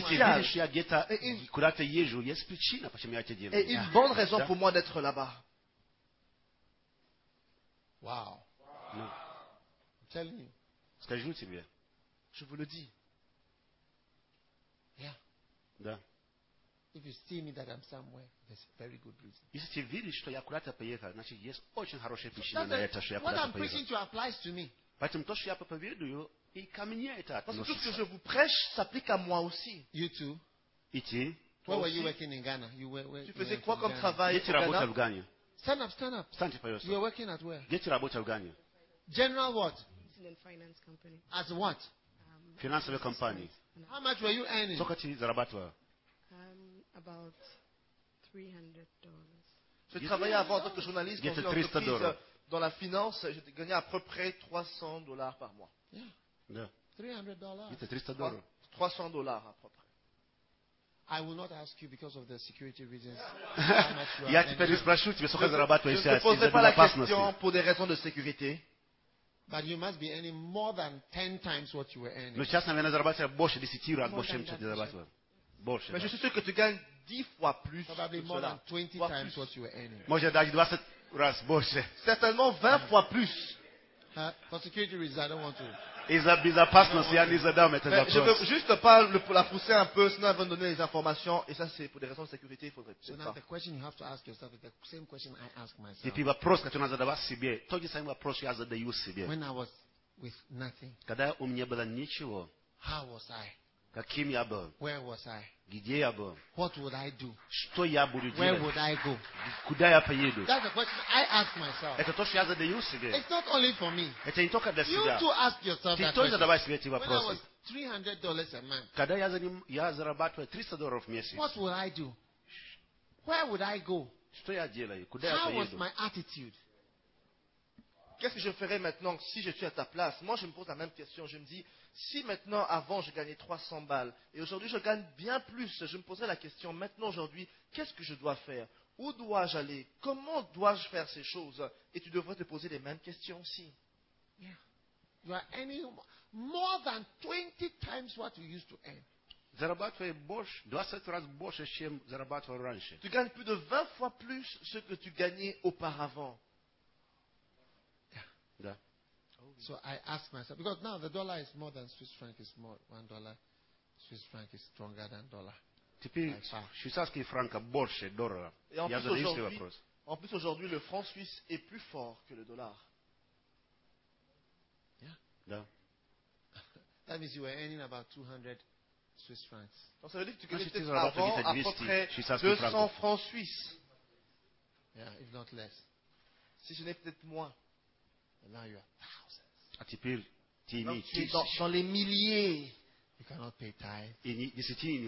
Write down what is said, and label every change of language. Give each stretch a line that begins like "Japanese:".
Russian: Если ты видишь, я где-то, куда то езжу, есть причина, почему я это делаю.
French: Et une bonne raison pour moi d'être là-bas.
English: Wow. No. I'm telling you.
Russian: Скажу тебе.
French: Je vous le dis.
English: Yeah.
Russian: Да.
English: If you see me that I'm somewhere, there's a very good reason.
Russian: Если ты видишь, что я куда-то поехал, значит, есть очень хорошая причина
English: that's
Russian: на это, что я куда-то поехал.
English: What I'm preaching to applies to me.
Russian: Поэтому то, что я проповедую, и ко мне это относится.
French: Parce que tout ce que je vous prêche s'applique à moi aussi.
English: You too.
Russian: И ты.
English: Where were you working in Ghana? You were.
French: Tu faisais quoi comme travail?
Russian: Где ты работал в Гане?
English: Stand up.
Russian: Встаньте, пожалуйста.
English: You're working at where?
Russian: Где ты работал в Гане?
English: General what? It's in a finance company. As what?
Russian: Финансовой компании.
English: How much were you earning?
Russian: Сколько ты зарабатывал?
English: About $300.
French: Je travaillais avant en tant que journaliste dans une entreprise dans la finance. Je gagnais à peu près $300 par mois.
English: Yeah. Yeah. $300.
French: Il était $300. $300 à peu près.
English: I will not ask you because of the security reasons.
Russian: Я теперь не спрошу тебя, сколько зарабатываешь сейчас.
French: Je ne posais pas la question pour des raisons de sécurité.
English: But you must be earning more than 10 times what you were earning.
Russian: Но сейчас, наверное, зарабатывал больше 10 раз, больше, чем ты зарабатывал. Больше.
French: Mais je suis sûr que tu gagnes 10 fois plus.
English: Probably more than 20 times what you were earning.
French: Moi, j'ai gagné 20
Russian: раз больше.
French: Certainement 20 fois plus.
English: For security reasons, I don't want to.
Russian: Из-за безопасности, я не задам этот вопрос.
French: Je veux juste pas la pousser un peu, sinon elle va donner les informations. Et ça, c'est pour des raisons de sécurité, il faudrait peut-être pas.
English: The question you have to ask yourself is the same question I ask myself.
French: Et puis,
Russian: вопрос, который надо задавать себе, тот же самый вопрос, я задаю себе.
English: When I was with nothing.
Russian: Когда у меня было ничего.
English: How was I?
Russian: Каким я был?
English: Where was I?
Russian: Где я был?
English: What would I do?
Russian: Что я буду делать?
English: Where would I go?
Russian: Куда я поеду?
English: That's the question I ask myself.
Russian: Это то, что я задаю себе.
English: It's not only for me.
Russian: Это не только для себя.
English: You too ask yourself
Russian: ты
English: that question.
Russian: Ты тоже задавай себе эти вопросы.
English: When I was $300 a month.
Russian: Когда я зарабатываю $300 в месяц.
English: What would I do? Where would I go?
Russian: Что я делаю? Куда я поеду?
English: How was my attitude?
French: Qu'est-ce que je ferais maintenant si je suis à ta place? Moi, je me pose la même question. Je me dis, si maintenant, avant, je gagnais 300 balles, et aujourd'hui, je gagne bien plus, je me posais la question, maintenant, aujourd'hui, qu'est-ce que je dois faire? Où dois-je aller? Comment dois-je faire ces choses? Et tu devrais te poser les mêmes questions aussi.
English: Yeah. You are earning more than 20 times what you used to earn.
Russian: Зарабатываешь больше, 20 раз больше, чем зарабатывал раньше.
French: Tu gagnes plus de 20 fois plus ce que tu gagnais auparavant.
English: Yeah.
Russian: Да.
English: So I ask myself, because now the dollar is more than Swiss franc is more, $1. Swiss franc is stronger than dollar.
Russian: Теперь швейцарский франк больше доллара. Я задаю себе вопрос.
French: En plus aujourd'hui, le franc suisse est plus fort que le dollar.
English: Yeah.
Russian: Да.
English: That means you were earning about 200 Swiss francs.
French: Donc ça veut dire que tu gagnais peut-être avant à peu près 200 francs suisses.
English: Yeah, if not less.
French: Si ce n'est peut-être moins.
English: And now you are thousands.
Russian: А теперь ты имеешь.
French: Donc, dans les milliers.
English: You cannot pay tithe.
Russian: И не, если ты не